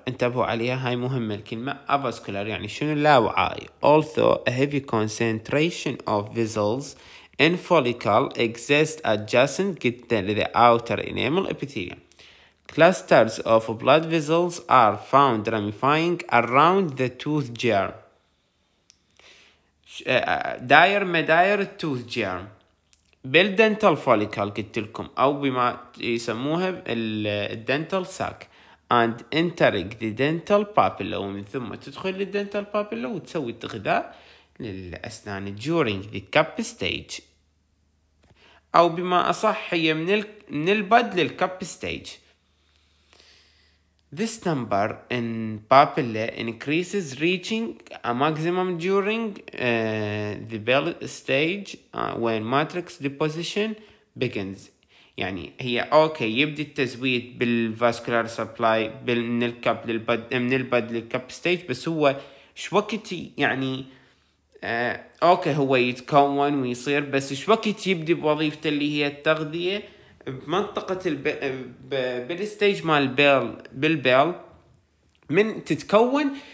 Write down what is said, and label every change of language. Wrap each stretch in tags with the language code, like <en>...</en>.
<ar>انتبهوا عليها، هاي مهمة الكلمة avascular، يعني شنو؟ لاوعي.</ar> <en>Although a heavy concentration of vessels in follicle exists adjacent to the outer enamel epithelium. Clusters of blood vessels are found ramifying around the tooth germ.</en> <ar>داير مداير التوث جيرم بالدنتال فوليكل قلت لكم، او بما يسموها الدنتال ساك،</ar> <en>and entering the dental papilla،</en> <ar>ومن ثم تدخل للدنتال بابيلا وتسوي الغذاء للاسنان</ar> <en>during the cup stage،</en> <ar>او بما اصح هي من البد للكب ستيج.</ar> <en>This number in papilla increases reaching a maximum during the bell stage when matrix deposition begins.</en> <ar>يعني هي اوكي يبدي التزويد بالفاسكولار سبلاي من الكب للبد، من البد للكب ستيج، بس هو شوكتي يعني اوكي هو يتكون ويصير، بس شوكتي يبدي بوظيفته اللي هي التغذية بمنطقة بالستيج مال البيل بالبيل من تتكون.</ar>